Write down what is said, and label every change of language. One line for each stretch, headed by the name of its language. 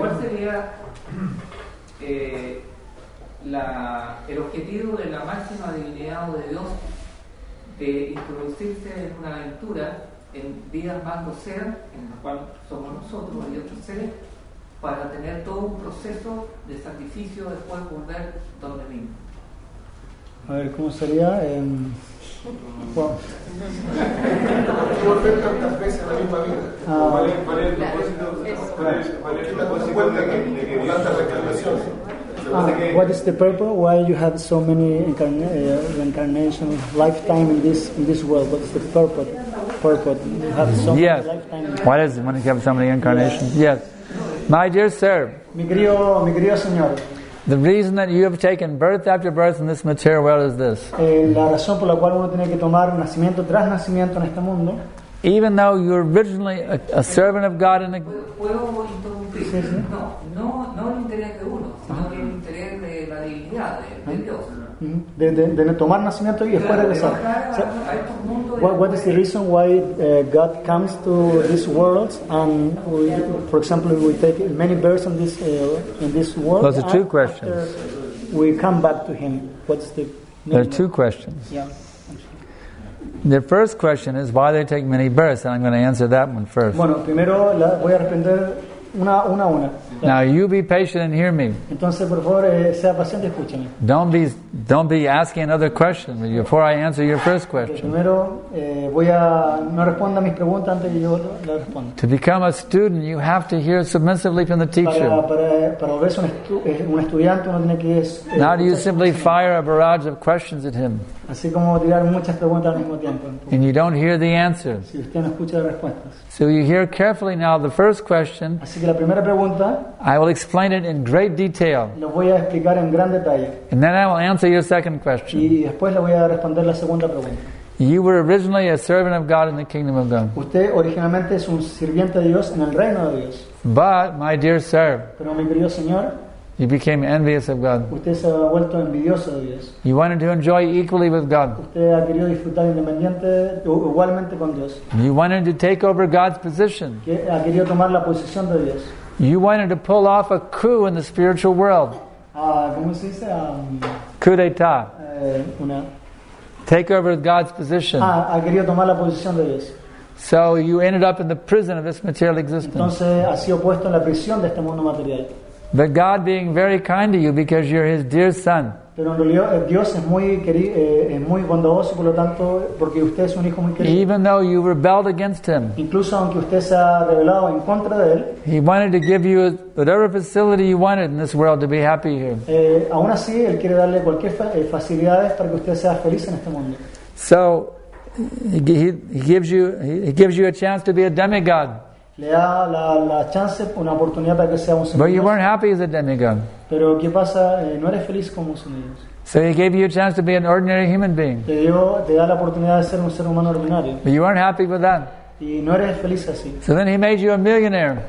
Spanish: ¿Cuál sería el objetivo de la máxima divinidad o de Dios de introducirse en una aventura en vidas bajo ser, en la cual somos nosotros y otros seres, para tener todo un proceso de sacrificio después volver donde mismo? A ver, ¿cómo sería? Volver tantas veces la misma vida. ¿Cuál es el propósito? ¿Cuál es el propósito de que tantas reencarnaciones?
English: What is the purpose? Why you had so many reincarnation lifetime in this world? What is the purpose? You have so many lifetime. What is it when you have so many incarnations? Yes. My dear sir.
Spanish: Mi querido señor.
English: The reason that you have taken birth after birth in this material world is this.
Spanish: La razón por la cual uno tiene que tomar nacimiento tras nacimiento en este mundo.
English: Even though you were originally a servant of God in the...
Spanish: ¿Puedo interrumpir? Sí, sí. No el interés de uno, sino que el interés de la divinidad, de Dios. De tomar nacimiento y después regresar.
English: So, what is the reason why God comes to this world and, for example, we take many births in this world? Those are two questions. We come back to him. What's the name? There are two questions. Yeah. The first question is why they take many births, and I'm going to answer that one first.
Spanish: Bueno, primero voy a responder una.
English: Now you be patient and hear me.
Spanish: Entonces, por favor, sea paciente y escúchame.
English: Don't be asking another question before I answer your first question.
Spanish: Primero, no responda mis preguntas antes que yo la responda.
English: To become a student, you have to hear submissively from the teacher.
Spanish: Para volverse un estudiante, uno tiene que.
English: Now do you simply fire a barrage of questions at him?
Spanish: Así como tirar muchas preguntas al mismo tiempo.
English: And you don't hear the answers.
Spanish: Si usted no escucha las respuestas.
English: So you hear carefully now the first question.
Spanish: Así que la primera pregunta.
English: I will explain it in great detail.
Spanish: Lo voy a explicar en gran detalle.
English: And then I will answer your second question.
Spanish: Y después le voy a responder la segunda pregunta.
English: You were originally a servant of God in the kingdom of God.
Spanish: Usted originalmente es un sirviente de Dios en el reino de Dios.
English: But, my dear sir.
Spanish: Pero mi querido señor.
English: You became envious of God.
Spanish: Usted se ha vuelto envidioso de Dios.
English: You wanted to enjoy equally with God.
Spanish: Usted ha querido disfrutar independiente, igualmente con Dios.
English: You wanted to take over God's position.
Spanish: Ha querido tomar la posición de Dios.
English: You wanted to pull off a coup in the spiritual world.
Spanish: ¿Cómo se dice?
French: Coup d'etat.
Spanish: Una.
English: Take over God's position.
Spanish: Ha querido tomar la posición de Dios.
English: So you ended up in the prison of this material existence.
Spanish: Entonces ha sido puesto en la prisión de este mundo material.
English: But God being very kind to you because you're His dear son.
Spanish: Pero en realidad Dios es muy querido, es muy bondadoso, por lo tanto, porque usted es un hijo muy querido.
English: Even though you rebelled against Him.
Spanish: Incluso aunque usted se ha rebelado en contra de él.
English: He wanted to give you whatever facility you wanted in this world to be happy here.
Spanish: Aún así, él quiere darle cualquier facilidades para que usted sea feliz en este mundo.
English: So he gives you a chance to be a demigod.
Spanish: Le da la chance, una oportunidad para que sea un
English: But you weren't happy as a demigod.
Spanish: Pero ¿qué pasa? No eres feliz como son ellos.
English: So he gave you a chance to be an ordinary human being.
Spanish: Te da la oportunidad de ser un ser humano ordinario.
English: But you weren't happy with that.
Spanish: Y no eres feliz así.
English: So then he made you a millionaire.